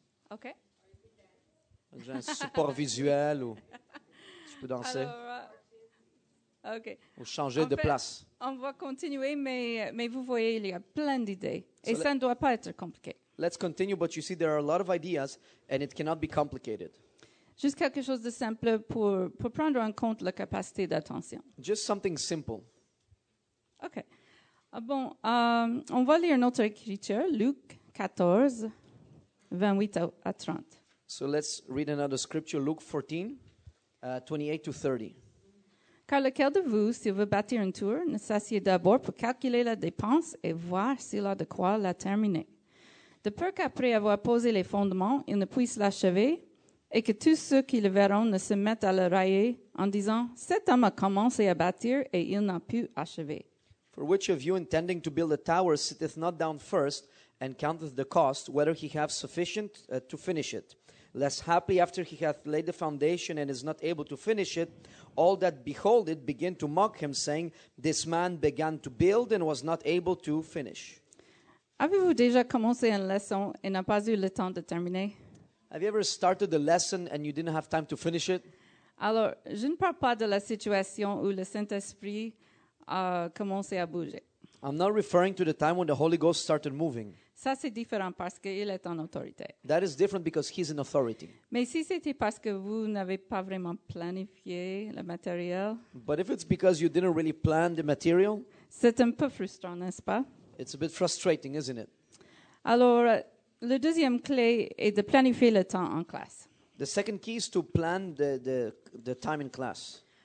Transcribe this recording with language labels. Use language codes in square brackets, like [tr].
[fr] Ok. J'ai un support visuel ou tu peux danser. Alors, okay. Ou changer en de fait, place. On va continuer, mais vous voyez, il y a plein d'idées. Et ça ne doit pas être compliqué. [en] Let's continue, but you see, there are a lot of ideas, and it cannot be complicated. [fr] Juste quelque chose de simple pour prendre en compte la capacité d'attention. [en] Just something simple. [fr] OK. On va lire notre écriture, Luc 14, 28 à 30. [en] So let's read another scripture, Luke 14, 28 to 30. [fr] Car lequel de vous, s'il veut bâtir une tour, ne s'assied d'abord pour calculer la dépense et voir s'il a de quoi la terminer. De peur qu'après avoir posé les fondements, il ne puisse l'achever et que tous ceux qui le verront ne se mettent à le railler en disant, « Cet homme a commencé à bâtir et il n'a pu achever. » [en] For which of you intending to build a tower sitteth not down first and counteth the cost, whether he have sufficient to finish it. Lest happily after he hath laid the foundation and is not able to finish it, all that behold it begin to mock him, saying, This man began to build and was not able to finish. [fr] Avez-vous déjà commencé une leçon et n'a pas eu le temps de terminer? [en] Have you ever started a lesson and you didn't have time to finish it? [fr] Alors, je ne parle pas de la situation où le Saint-Esprit a commencé à bouger. [en] I'm not referring to the time when the Holy Ghost started moving. [fr] Ça, c'est différent parce qu'il est en autorité. [en] That is different because he's in authority. [fr] Mais si c'était parce que vous n'avez pas vraiment planifié le matériel, [en] but if it's because you didn't really plan the material, [fr] c'est un peu frustrant, n'est-ce pas? [en] It's a bit frustrating, isn't it? [fr] Alors, le deuxième clé est de planifier le temps en classe. [en] The second key is to plan the time in class.